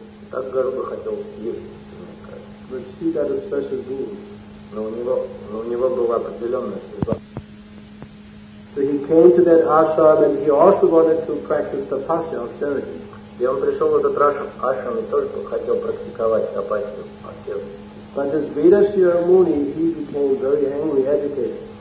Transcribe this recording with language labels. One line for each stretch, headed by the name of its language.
Russian: как Гару бы хотел ездить, мне кажется.
English: But he had a special rule.
Russian: Но у него была определенная судьба.
English: So he came to that ashram and he also wanted to practice tapasya austerity.
Russian: И он пришел в этот ашрам и тоже хотел практиковать тапасию austerity.
English: But as Vidashira Muni, he became very angry, agitated.